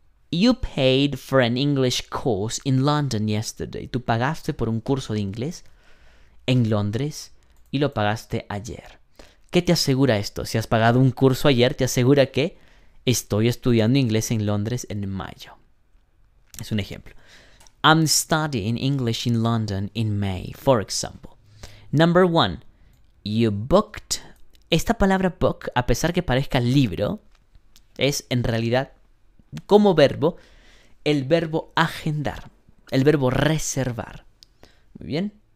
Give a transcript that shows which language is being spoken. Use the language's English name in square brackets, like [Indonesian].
[English] You paid for an English course in London yesterday. [Spanish] Tú pagaste por un curso de inglés en Londres y lo pagaste ayer. ¿Qué te asegura esto? Si has pagado un curso ayer, te asegura que estoy estudiando inglés en Londres en mayo. Es un ejemplo. [English] I'm studying English in London in May, for example. Number one, you booked. [Spanish] Esta palabra book, a pesar que parezca libro, es en realidad como verbo, el verbo agendar, el verbo reservar. Muy bien.